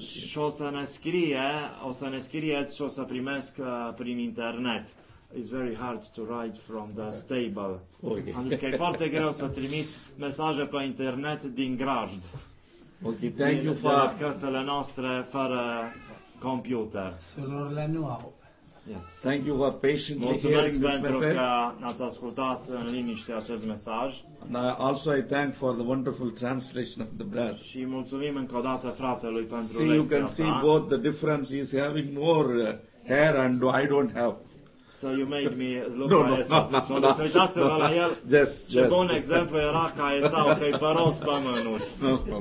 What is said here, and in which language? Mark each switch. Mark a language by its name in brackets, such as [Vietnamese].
[Romanian] Și o să ne scrieți și o să primesc prin internet. [English] It's very hard to write from the stable. Okay. [Romanian] Am zis că e foarte greu să trimiți mesaje pe internet din grajd. [English] Okay, thank you for [Romanian] casele noastre fără computer. Surorile nu au. [English] Yes. Thank you for patiently [Romanian] mulțumesc [English] hearing this message. [Romanian] Mulțumesc pentru că ați ascultat în liniște acest mesaj. [English] And also I thank for the wonderful translation of the brother. [Romanian] Și mulțumim încă o dată fratelui pentru lecția [English] See, you can see both the difference. He's having more hair and I don't have. So you made me look like Esau. [Romanian] Să uitați-vă la el. [English] Yes, [Romanian] ce bun exemplu era ca Esau, că-i păros pe mânuț.